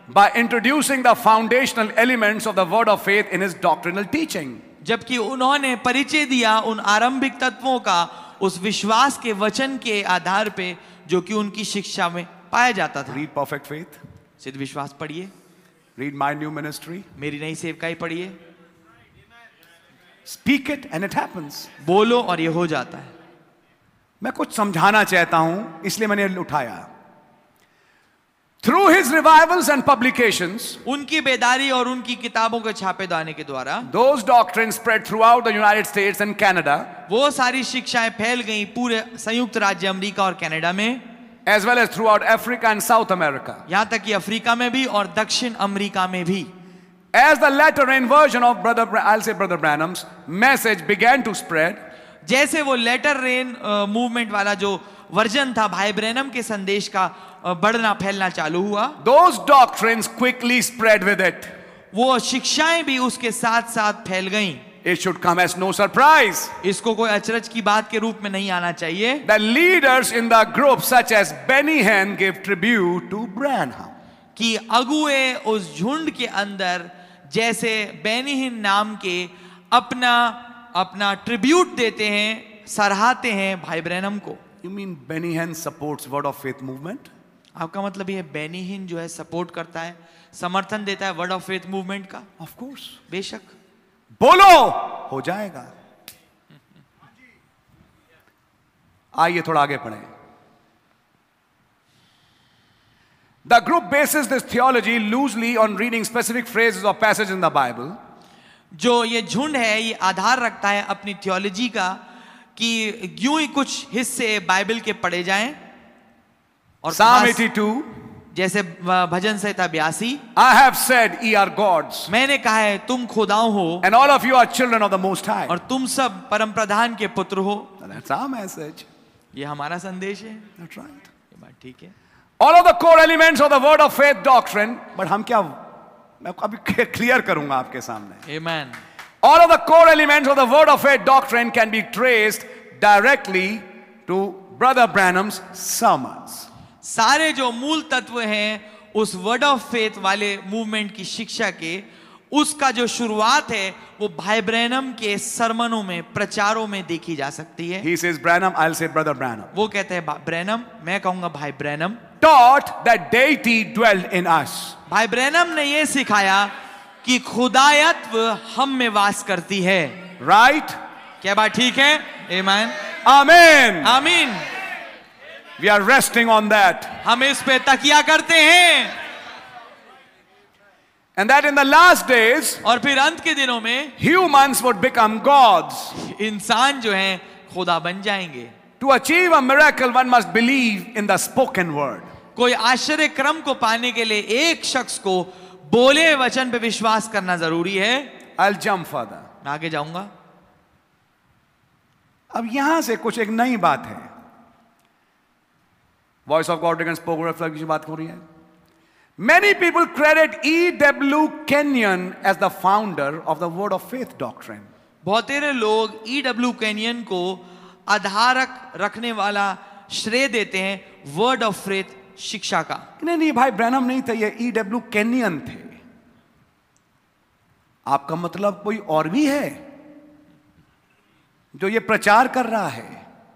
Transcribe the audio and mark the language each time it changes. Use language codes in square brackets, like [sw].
[en] By introducing the foundational elements of the word of faith in his doctrinal teaching. [hi] जबकि उन्होंने परिचय दिया उन आरंभिक तत्वों का उस विश्वास के वचन के आधार पे जो कि उनकी शिक्षा में पाया जाता था. [en] Read perfect faith. [hi] सिद्ध विश्वास पढ़िए. [en] Read my new ministry. [hi] मेरी नई सेवकाई पढ़िए. [en] Speak it and it happens. [hi] बोलो और ये हो जाता है. मैं कुछ समझाना चाहता हूं इसलिए मैंने उठाया. [en] through his revivals and publications, [hi] उनकी बेदारी और उनकी किताबों के छापे दाने के द्वारा, [en] Those doctrines spread throughout the United States and Canada. [hi] वो सारी शिक्षाएं फैल गई पूरे संयुक्त राज्य अमेरिका और कनाडा में, [en] As well as throughout Africa and South America. [hi] यहां तक कि अफ्रीका में भी और दक्षिण अमरीका में भी. [en] as the latter end version of brother, I will say brother Branham's message began to spread, [hi] जैसे वो लेटर रेन मूवमेंट वाला जो वर्जन था भाई ब्रैनम के संदेश का बढ़ना फैलना चालू हुआ. [en] Those doctrines quickly spread with it. [hi] वो शिक्षाएं भी उसके साथ साथ फैल गईं. [en] It should come as no surprise. [hi] इसको कोई अचरज की बात के रूप में नहीं आना चाहिए. [en] The leaders in the group such as Benny Hinn give tribute to Branham. [hi] कि अगुए उस झुंड के अंदर जैसे बेनी हिन नाम के अपना ट्रिब्यूट देते हैं, सराहते हैं भाई ब्रैनम को. [en] You mean Benny Hinn supports Word of Faith movement? [hi] आपका मतलब यह बेनी हिन जो है सपोर्ट करता है, समर्थन देता है वर्ड ऑफ फेथ मूवमेंट का? [en] of course, [hi] बेशक. बोलो हो जाएगा. आइए थोड़ा आगे पढ़ें. [en] The group basis this theology loosely on reading specific phrases of passage in the Bible. [hi] जो ये झुंड है ये आधार रखता है अपनी थियोलॉजी का कि यूं ही कुछ हिस्से बाइबल के पढ़े जाएं. और Psalm 82, जैसे भजन संहिता 82, [en] I have said ye are gods, [hi] मैंने कहा है तुम खुदाओं हो, [en] and all of you are children of the most high, [hi] और तुम सब परम प्रधान के पुत्र हो. [en] That's our message. [hi] ये हमारा संदेश है. [en] That's right. [hi] ये बात ठीक है. [en] All of the core elements of the word of faith doctrine, but [hi] हम क्या, मैं अभी क्लियर करूंगा आपके सामने. [en] Amen. All of the core elements of the word of faith doctrine can be traced directly to Brother Branham's sermons. [hi] सारे जो मूल तत्व हैं उस word of faith वाले movement की शिक्षा के, उसका जो शुरुआत है वो भाई ब्रैनम के सर्मनों में प्रचारों में देखी जा सकती है. [en] He says Branham, I'll say brother Branham. [hi] वो कहते हैं ब्रैनम, मैं कहूंगा भाई Branham. [en] Taught that deity dwelt in us. [hi] भाई ब्रैनम ने ये सिखाया कि खुदायत्व हम में वास करती है. [en] Right? [hi] क्या बात ठीक है? Amen. [en] Amen. Amen. We are resting on that. [hi] हम इस पे तकिया करते हैं. [en] And that in the last days, [hi] और फिर अंत के दिनों में, [en] humans would become gods. [hi] इंसान जो हैं, खुदा बन जाएंगे. [en] To achieve a miracle, one must believe in the spoken word. [hi] कोई आश्चर्य क्रम को पाने के लिए एक शख्स को बोले वचन पे विश्वास करना जरूरी है. [en] I'll jump further. [hi] मैं आगे जाऊंगा. अब यहां से कुछ एक नई बात है. [en] Voice of God against spoken word [hi] की बात हो रही है. [en] Many people credit E.W. Kenyon as the founder of the Word of Faith doctrine. [hi] बहुत सारे लोग E.W. Kenyon को आधारक रखने वाला श्रेय देते हैं Word of Faith शिक्षा का. नहीं नहीं भाई ब्रैनम नहीं थे, ये E.W. Kenyon थे. आपका मतलब कोई और भी है जो ये प्रचार कर रहा है?